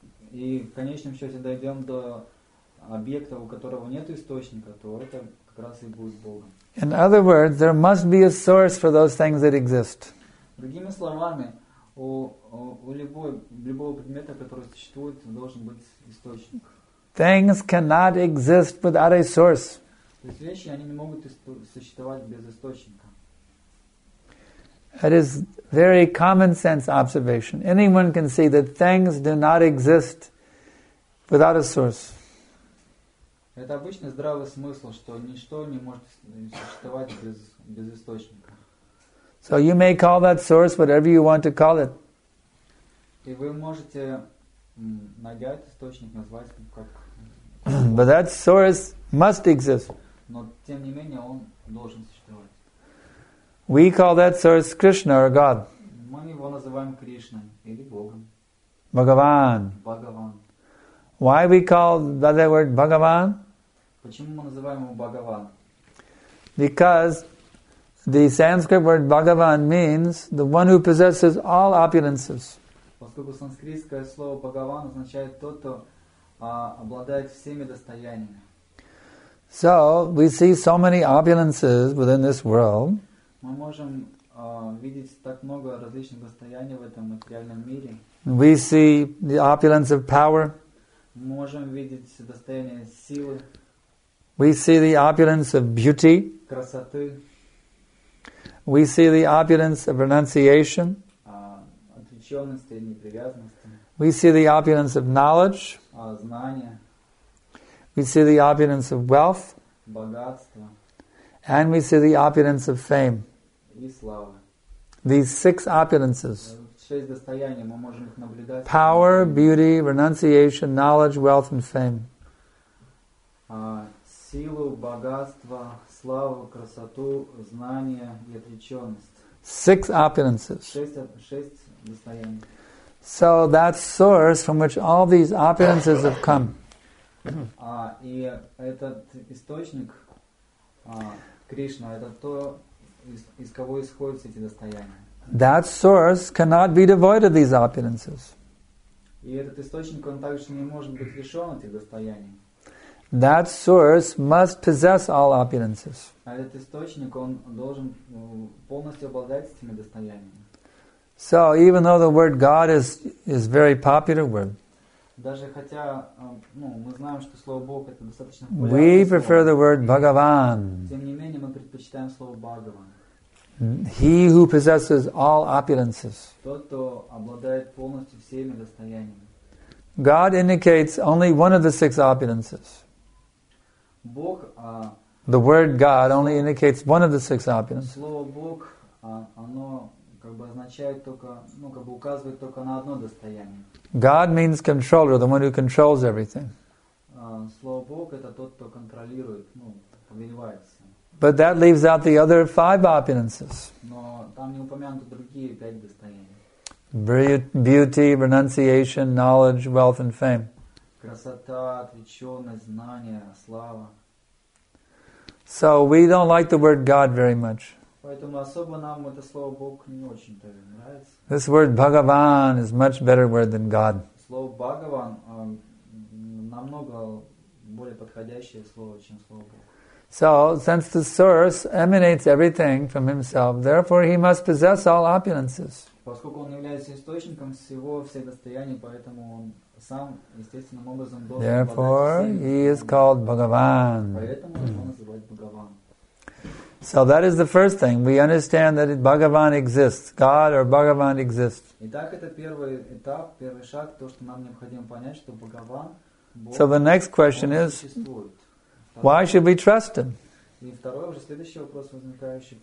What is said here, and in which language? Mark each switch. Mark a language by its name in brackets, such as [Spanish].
[Russian] И в конечном счете дойдем до объекта, у которого нет источника, то это как раз и будет Богом. [English] In other words, there must be a source for those things that exist. [Russian] Другими словами, у любого предмета, который существует, должен быть источник. [English] Things cannot exist without a source. [Russian] То есть вещи, они не могут существовать без источника. [English] That is very common sense observation. Anyone can see that things do not exist without a source. [Russian] Это обычный здравый смысл, что ничто не может существовать без источника. [English] So you may call that source whatever you want to call it. [Russian] И вы можете найти этот источник, назвать его как. [English] But that source must exist. [Russian] Но тем не менее он должен существовать. [English] We call that source Krishna or God. [Russian] Мы его называем Кришной или Богом. [English] Bhagavan. [Russian] Bhagavan. [English] Why we call that word Bhagavan? [Russian] Почему мы называем его Bhagavan? [English] Because the Sanskrit word Bhagavan means the one who possesses all opulences. [Russian] Поскольку санскритское слово Bhagavan означает тот, кто обладает всеми достояниями. [English] So we see so many opulences within this world. [Russian] Мы можем видеть так много различных достояний в этом материальном мире. [English] We see the opulence of power. [Russian] Мы можем видеть достояние силы. [English] We see the opulence of beauty. [Russian] Красоты. [English] We see the opulence of renunciation. [Russian] Отреченности и непривязанности. [English] We see the opulence of knowledge. [Russian] Знания. [English] We see the opulence of wealth. [Russian] Богатство. [English] And we see the opulence of fame. [Russian] И слава. [English] These six opulences. [Russian] Шесть достояний мы можем их наблюдать. [English] Power, beauty, renunciation, knowledge, wealth and fame. [Russian] Силу, богатство, славу, красоту, знания и отреченность. [English] Six opulences. [Russian] Шесть достояний. [English] So that source from which all these opulences have come. [Russian] И этот источник Кришна, это то, из кого исходят эти достояния. [English] That source cannot be devoid of these opulences. [Russian] И этот источник, он также не может быть лишен этих достояний. [English] That source must possess all opulences. [Russian] А этот источник, он должен полностью обладать этими достояниями. [English] So, even though the word God is very popular word, [Russian] даже хотя, мы знаем, что слово Бог это достаточно популярное. [English] We prefer the word Bhagavan. [Russian] Тем не менее, мы предпочитаем слово Бхагаван. [English] He who possesses all opulences. [Russian] Тот, кто обладает полностью всеми достояниями. [English] God indicates only one of the six opulences. [Russian] Бог, [English] the word God only indicates one of the six opulences. [Russian] Слово Бог, оно как бы означает только, как бы указывает только на одно достояние. [English] God means controller, the one who controls everything. [Russian] Слово Бог это тот, кто контролирует, повелевается. [English] But that leaves out the other five opulences. [Russian] Но там не упомянуты другие пять достояний. [English] Beauty, renunciation, knowledge, wealth and fame. [Russian] Красота, отреченность, знание, слава. [English] So we don't like the word God very much. [Russian] Поэтому особо нам это слово Бог не очень-то нравится. [English] This word Bhagavan is much better word than God. [Russian] Слово Бхагаван намного более подходящее слово, чем слово Бог. [English] So, since the source emanates everything from himself, therefore he must possess all opulences. [Russian] Поскольку он является источником всего, все достояния, поэтому он сам естественным образом должен обладать всем. [English] Therefore he is called Bhagavan. [Russian] Поэтому его называют Бхагаван. [English] So that is the first thing. We understand that Bhagavan exists. God or Bhagavan exists. [Russian] Итак, это первый этап, первый шаг, то, что нам необходимо понять, что Бхагаван, Бог, [English] so the next question is, why should we trust him? [Russian] И второй, уже следующий вопрос возникающий.